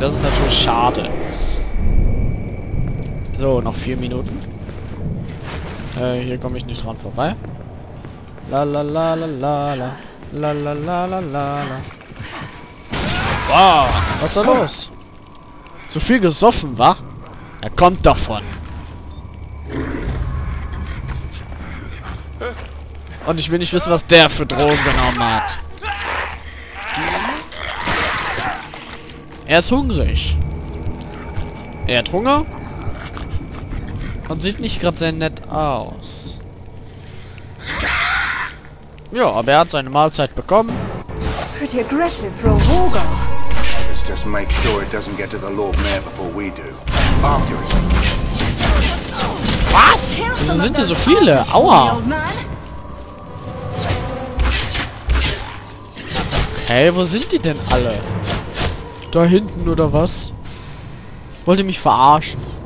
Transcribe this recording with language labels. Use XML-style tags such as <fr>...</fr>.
<de>Das ist natürlich schade. So, noch 4 Minuten. Hier komme ich nicht dran vorbei. La la la la la la la la la la la la. Wow, was ist da los? Zu viel gesoffen, wa? Er kommt davon. Und ich will nicht wissen, was der für Drogen genommen hat. Er ist hungrig. Er hat Hunger. Und sieht nicht gerade sehr nett aus. Ja, aber er hat seine Mahlzeit bekommen.</de> <en>Pretty aggressive for a Warga. Let's just make sure it doesn't get to the Lord Mayor before we do. After it.</en> <de>Was? Wieso sind hier so viele? Aua! Hey, wo sind die denn alle? Da hinten oder was? Wollt ihr mich verarschen?</de>